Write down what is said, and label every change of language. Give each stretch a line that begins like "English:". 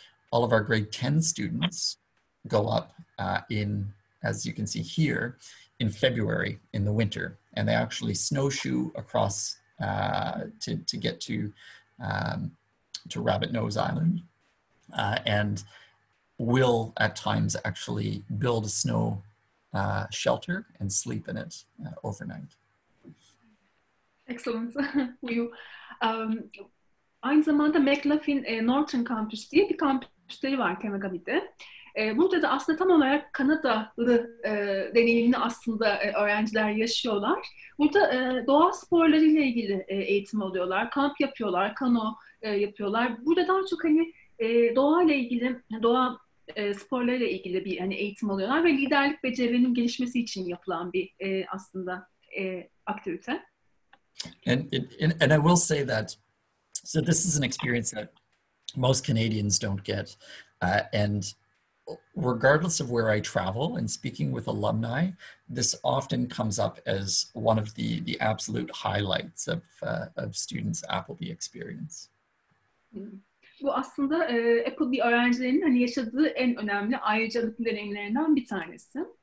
English: All of our grade 10 students go up in, as you can see here, in February in the winter, and they actually snowshoe across to get to Rabbit Nose Island, and will at times actually build a snow shelter and sleep in it overnight. Excellent.
Turkish: Aynı zamanda McLaughlin Norton Campus diye bir kampüsleri var Kemagami'de. Burada da aslında tam olarak Kanadalı deneyimini aslında öğrenciler yaşıyorlar. Burada doğa sporlarıyla ilgili eğitim alıyorlar, kamp yapıyorlar, kano yapıyorlar. Burada daha çok hani doğayla ilgili, doğa sporlarıyla ilgili bir hani eğitim alıyorlar ve liderlik becerilerinin gelişmesi için yapılan bir aslında aktivite.
English: And I will say that, so this is an experience that most Canadians don't get. And regardless of where I travel and speaking with alumni, this often comes up as one of the absolute highlights of students' Appleby experience.
Turkish: Bu aslında Appleby öğrencilerinin hani yaşadığı en önemli ayrıcalık deneyimlerinden bir tanesi.